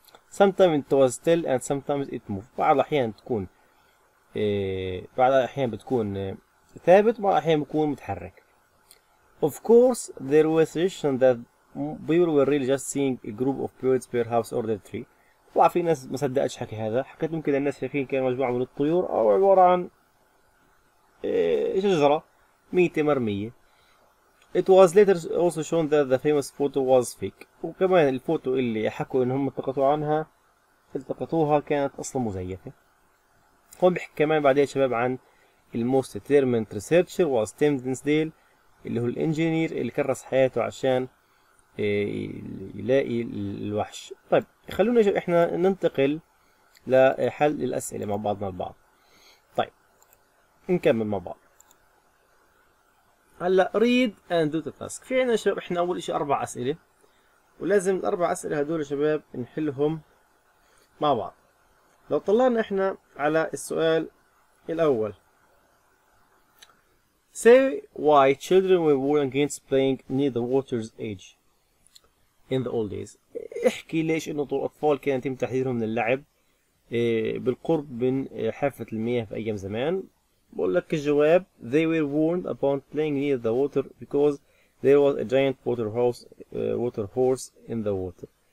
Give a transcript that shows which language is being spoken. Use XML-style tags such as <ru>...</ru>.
<en>Sometimes it was still and sometimes it moved.</en> <ar>بعض الاحيان تكون بعض الاحيان بتكون ثابت، بعض الاحيان بتكون متحرك.</ar> <en>Of course there was a suggestion that people were really just seeing a group of birds perhaps or the tree.</en> <ar>طلع في ناس ما صدقتش حكي هذا، حكيت ممكن الناس شايفين كان مجموعة من الطيور او عبارة عن شجرة ميتة مرمية.</ar> <en>It was later also shown that the famous photo was fake.</en> <ar>وكمان الفوتو اللي حكوا انهم التقطوا عنها التقطوها كانت اصلا مزيفة. هو بيحكي كمان بعدين شباب عن ال</ar> <en>most determined researcher was Tim Dinsdale</en> <ar>اللي هو الانجينير اللي كرس حياته عشان يلاقي الوحش. طيب خلونا احنا ننتقل لحل الاسئله مع بعضنا البعض. طيب نكمل مع بعض. هلا</ar> <en>read and do the task.</en> <ar>في عنا شباب احنا اول اشي اربع اسئله، ولازم الاربع اسئله هدول شباب نحلهم مع بعض. لو طلعنا احنا على السؤال الاول،</ar> <en>say why children were warned against playing near the water's edge in the old days.</en> <ar>احكي ليش انه طول الاطفال كان يتم تحذيرهم من اللعب بالقرب من حافة المياه في ايام زمان. بقول لك الجواب</ar> <en>they were warned upon playing near the water because there was a giant water horse in the water.</en>